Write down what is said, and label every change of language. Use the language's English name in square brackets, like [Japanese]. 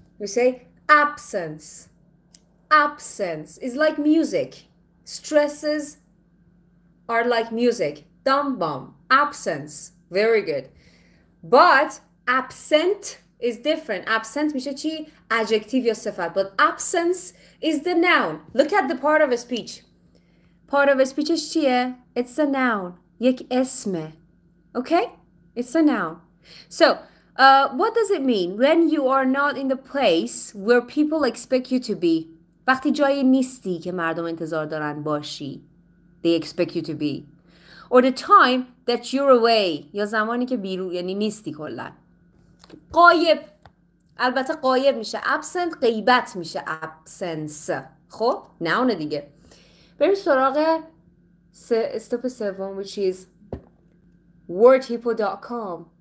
[English] We say absence. Absence is like music. Stresses are like music. Dum-bum. Absence. Very good. But absent is different. [Persian] Absent میشه چی؟ Adjective یا صفت. [English] But absence is the noun. Look at the part of a speech. Part of a speech is [Persian] چیه؟ [English] It's a noun. [Persian] یک اسمه. [English] Okay? It's a noun. So, what does it mean when you are not in the place where people expect you to be? [Persian] وقتی جایی نیستی که مردم انتظار دارن باشی. [English] They expect you to be. Or the time that you're away. [Persian] یا زمانی که بیرون، یعنی نیستی کلن. غایب. البته غایب میشه. Absent. غیبت میشه. [English] Absence. [Persian] خب؟ نونه دیگه. بریم سراغ [English] step seven, which is wordhippo.com.